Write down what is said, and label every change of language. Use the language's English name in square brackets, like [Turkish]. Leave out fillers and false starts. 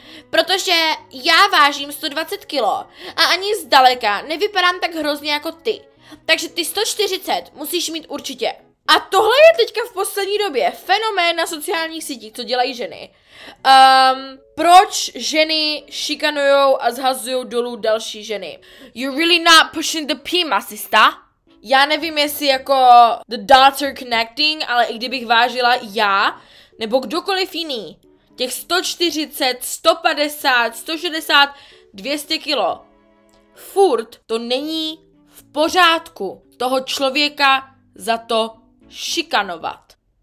[Czech] Protože já vážím 120 kilo a ani zdaleka nevypadám tak hrozně jako ty. Takže ty 140 musíš mít určitě. A tohle je teďka v poslední době fenomén na sociálních sítích, co dělají ženy. Proč ženy šikanujou a zhazujou dolů další ženy? [English] You're really not pushing the P, my sister. [Czech] Já nevím, jestli jako [English] the dots are connecting, [Czech] ale i kdybych vážila já, nebo kdokoliv jiný, těch 140, 150, 160, 200 kilo, furt to není v pořádku toho člověka za to šikanovat.